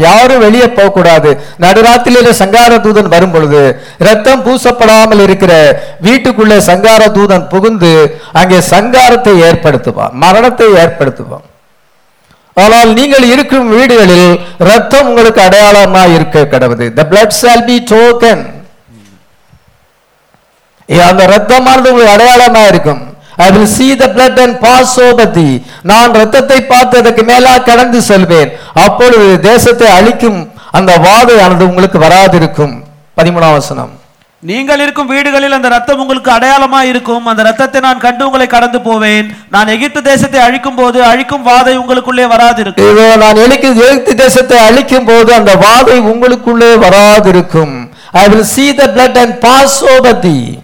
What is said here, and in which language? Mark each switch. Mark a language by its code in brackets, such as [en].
[ta] யாரும் வெளியே போகக்கூடாது. நடுராத்திரியில சங்கார தூதன் வரும் பொழுது ரத்தம் பூசப்படாமல் இருக்கிற வீட்டுக்குள்ளே சங்கார தூதன் புகுந்து அங்கே சங்காரத்தை ஏற்படுத்துவான், மரணத்தை ஏற்படுத்துவான். ஆனால் நீங்கள் இருக்கும் வீடுகளில் ரத்தம் உங்களுக்கு அடையாளமா இருக்க கடவுது. [en] The blood shall be token. [ta] அந்த ரத்தமானது உங்களுக்கு அடையாளமா இருக்கும். [en] I will see the blood and pass over thee. [ta] நான் ரத்தத்தை பார்த்ததற்கு மேலா கடந்து செல்வேன், அப்பொழுது தேசத்தை அழிக்கும் அந்த வாதையானது உங்களுக்கு வராதிருக்கும். 13 நீங்கள் இருக்கும் வீடுகளில் அந்த ரத்தம் உங்களுக்கு அடையாளமா இருக்கும். அந்த ரத்தத்தை நான் கண்டு உங்களை கடந்து போவேன். நான் எகிப்து தேசத்தை அழிக்கும் போது அழிக்கும் வாதை உங்களுக்குள்ளே வராதிருக்கும். எகிப்து தேசத்தை அழிக்கும் போது அந்த வாதை உங்களுக்குள்ளே வராதிருக்கும். [en] I will see the blood and pass over thee.